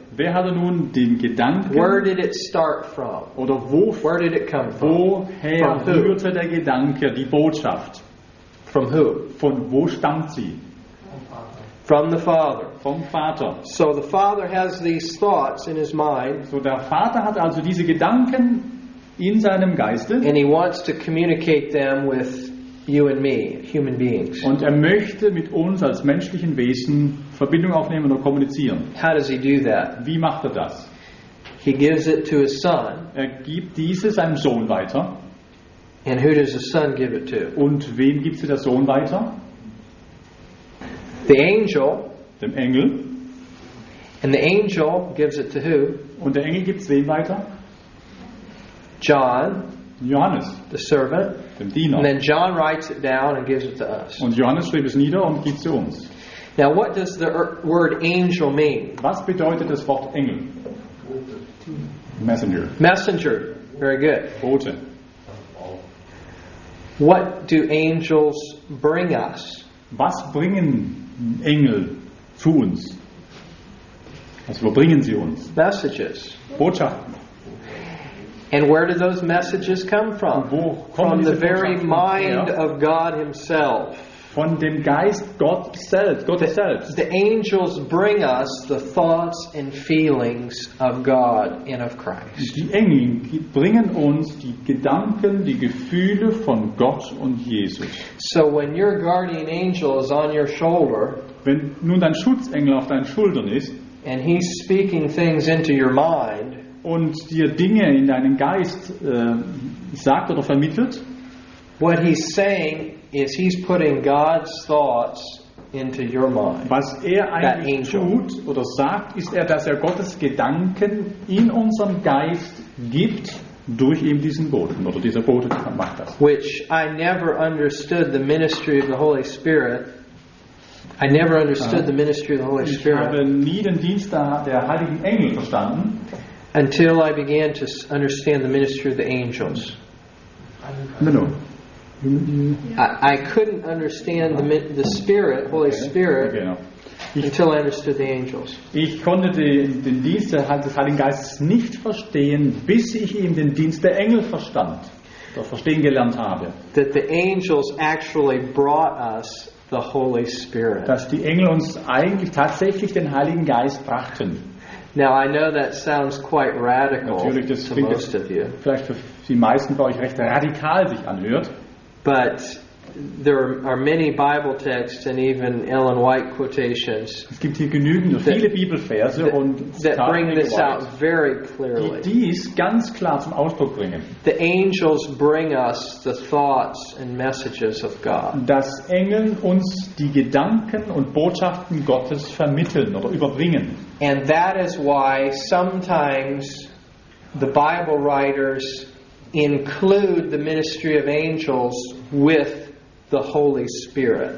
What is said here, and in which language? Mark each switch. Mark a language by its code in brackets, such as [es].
[de] Wer hatte nun den Gedanken? [en] Where did it start from? [de] Oder wo? [en] Where did it come from? [de] Woher rührte der Gedanke, die Botschaft? [en] From who? [de] Von wo stammt sie? [en] From the Father. [de] Vom Vater. [en] So the Father has these thoughts in his mind. [de] So der Vater hat also diese Gedanken in seinem Geiste. [en] And he wants to communicate them with you and me, human beings. [de] Und er möchte mit uns als menschlichen Wesen Verbindung aufnehmen oder kommunizieren. [en] How does he do that? [de] Wie macht er das? [en] He gives it to his son. [de] Er gibt diese seinem Sohn weiter. [en] And who does the son give it to? [de] Und wem gibt sie der Sohn weiter? [en] The angel. [de] Dem Engel. [en] And the angel gives it to who? [de] Und der Engel gibt's wem weiter? [en] John. [de] Johannes. [en] The servant. [de] Dem Diener. [en] And then John writes it down and gives it to us. [de] Und Johannes schreibt es nieder und gibt's zu uns. [en] Now, what does the word angel mean? [de] Was bedeutet das Wort Engel? Messenger. [en] Messenger. Very good. [de] Bote. [en] What do angels bring us? [de] Was bringen Engel zu uns? Also, wo bringen sie uns? [en] Messages. [de] Botschaften. [en] And where do those messages come from? [de] Wo kommen diese Botschaften? [en] From the very mind of God himself. [de] Von dem Geist Gott selbst, Gott selbst. [en] The angels bring us the thoughts and feelings of God and of Christ. [de] Die Engel bringen uns die Gedanken, die Gefühle von Gott und Jesus. [en] So when your guardian angel is on your shoulder, [de] wenn nun dein Schutzengel auf deinen Schultern ist, [en] and he's speaking things into your mind, [de] und dir Dinge in deinen Geist sagt oder vermittelt, [en] what he's saying is he's putting God's thoughts into your mind. [de] Was er eigentlich tut oder sagt, ist er, dass er Gottes Gedanken in unserem Geist gibt durch eben diesen Boten oder dieser Bote macht das. [en] Which I never understood the ministry of the Holy Spirit. I never understood the ministry of the Holy Spirit. [de] Ich habe nie den Dienst der heiligen Engel verstanden. [en] Until I began to understand the ministry of the angels. No. I couldn't understand the Spirit, Holy Spirit, until I understood the angels. [de] Ich konnte den Dienst des Heiligen Geistes nicht verstehen, bis ich eben den Dienst der Engel verstand, oder verstehen gelernt habe. [en] That the angels actually brought us the Holy Spirit. [de] Dass die Engel uns eigentlich tatsächlich den Heiligen Geist brachten. [en] Now I know that sounds quite radical to most of you. [de] Vielleicht für die meisten von euch recht radikal sich anhört. [en] But there are many Bible texts and even Ellen White quotations. [de] Es gibt hier genügend viele Bibelverse und [en] that bring this out very clearly. [de] Die dies ganz klar zum Ausdruck bringen. [en] The angels bring us the thoughts and messages of God. [de] Dass Engel uns die Gedanken und Botschaften Gottes vermitteln oder überbringen. [en] And that is why sometimes the Bible writers include the ministry of angels with the Holy Spirit.